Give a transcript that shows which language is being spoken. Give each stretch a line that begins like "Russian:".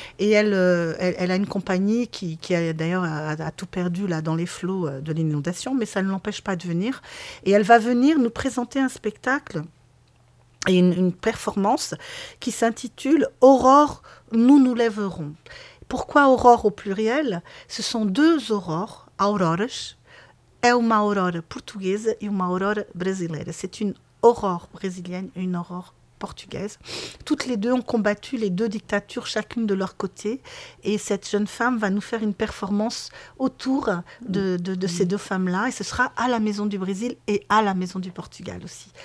French: Et elle a une compagnie qui a d'ailleurs a tout perdu là, dans les flots de l'inondation, mais ça ne l'empêche pas de venir. Et elle va venir nous présenter un spectacle et une performance qui s'intitule « Aurore, nous nous lèverons ». Pourquoi Aurore au pluriel? Ce sont deux aurores,
Portuguese: auroras, é uma aurora portuguesa e uma aurora brasileira.
French: C'est une aurore brésilienne et une aurore portugaise. Toutes les deux ont combattu les deux dictatures, chacune de leur côté. Et cette jeune femme va nous faire une performance autour de ces deux femmes-là. Et ce sera à la Maison du Brésil et à la Maison du Portugal aussi.